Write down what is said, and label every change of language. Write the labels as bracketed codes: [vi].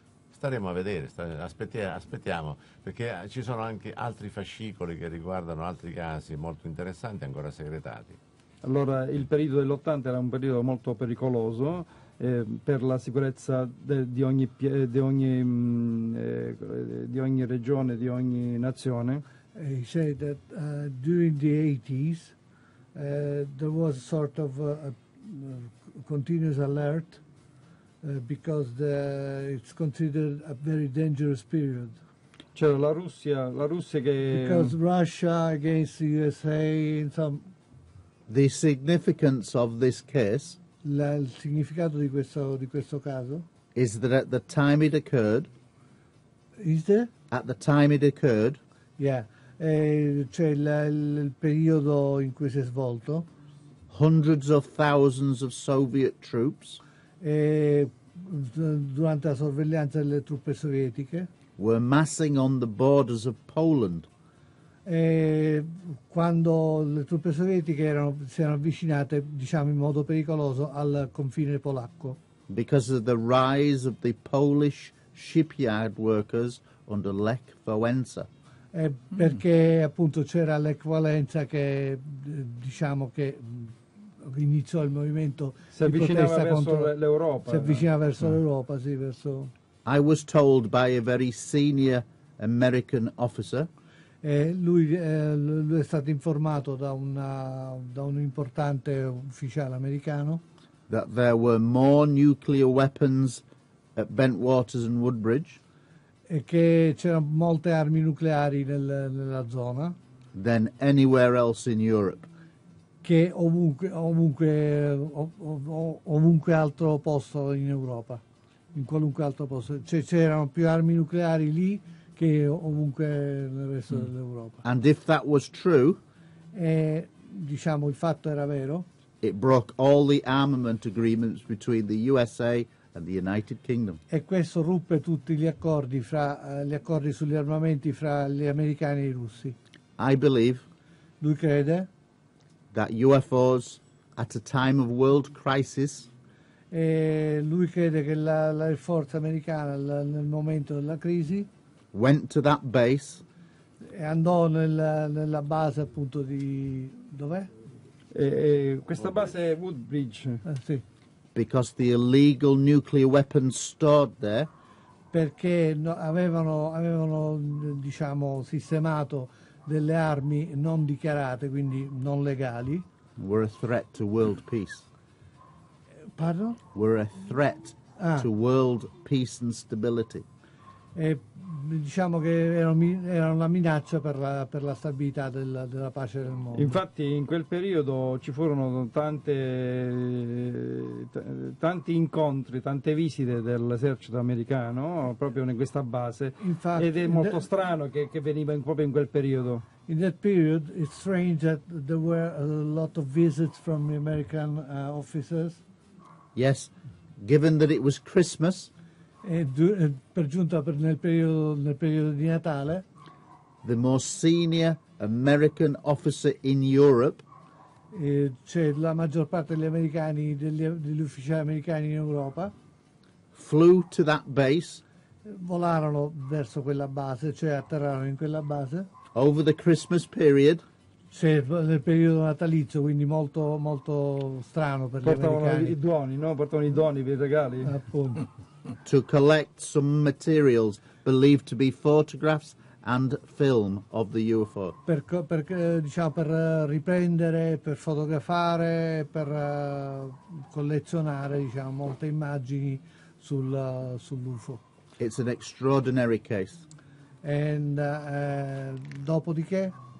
[it] Staremo a vedere, aspettiamo, perché ci sono anche altri fascicoli che riguardano altri casi molto interessanti, ancora segretati. Allora, il periodo dell'80 era un periodo molto pericoloso per la sicurezza di ogni regione, di ogni nazione. [en] He said that during the 80s there was sort of a continuous alert because it's considered a very dangerous period. [it] C'era la Russia che [en] because Russia against the USA in some the significance of this case. [it] Il significato di questo caso [en] is that at the time it occurred. Is there at the time it occurred? Yeah. [it] Cioè il periodo in cui si è svolto. [en] Hundreds of thousands of Soviet troops. [it] Durante la sorveglianza delle truppe sovietiche. [en] Were massing on the borders of Poland. [it] Quando le truppe sovietiche si erano avvicinate, diciamo in modo pericoloso, al confine polacco. [en] Because of the rise of the Polish shipyard workers under Lech Wałęsa. [it] Perché appunto c'era Lech Wałęsa che diciamo che iniziò il movimento si avvicinava verso contro l'Europa si avvicinava verso l'Europa sì verso [en] I was told by a very senior American officer [it] Lui è stato informato da un importante ufficiale americano. [en] That there were more nuclear weapons at Bentwaters and Woodbridge. [it] E che c'erano molte armi nucleari nella zona. [en] Than anywhere else in Europe. [it] Che ovunque altro posto in Europa, in qualunque altro posto. Cioè, c'erano più armi nucleari lì che ovunque nel resto dell'Europa. [en] And if that was true, [it] e, diciamo, il fatto era vero, [en] it broke all the armament agreements between the USA and the United Kingdom. [it] E questo ruppe tutti gli accordi sugli armamenti fra gli americani e i russi. [en] I believe. [it] Lui crede. [en] That UFOs at a time of world crisis. [it] E lui crede che la forza americana nel momento della crisi. [en] Went to that base. [it] E andò nella base appunto di dov'è? Questa base è Woodbridge. Sì. [en] Because the illegal nuclear weapons stored there. [it] Perché no, avevano diciamo sistemato delle armi non dichiarate, quindi non legali. [en] Were a threat to world peace. Pardon? Were a threat to world peace and stability. [it] E diciamo che era una minaccia per la stabilità della pace del mondo. Infatti in quel periodo ci furono tanti incontri, tante visite dell'esercito americano proprio in questa base. Infatti, ed è molto strano che veniva proprio in quel periodo. [en] In that period it's strange that there were a lot of visits from the American officers. Yes, given that it was Christmas. [it] E per giunta nel periodo di Natale, [en] the most senior American officer in Europe, [it] cioè la maggior parte degli americani degli ufficiali americani in Europa, [en] flew to that base, [it] volarono verso quella base, cioè atterrarono in quella base, [en] over the Christmas period, [it] cioè nel periodo natalizio, quindi molto molto strano per portavano i doni per i regali, appunto. [en] To collect some materials believed to be photographs and film of the UFO. [it] Per riprendere, per fotografare, per collezionare, diciamo, molte immagini sull'UFO. [en] It's an extraordinary case. [it] And dopodiché?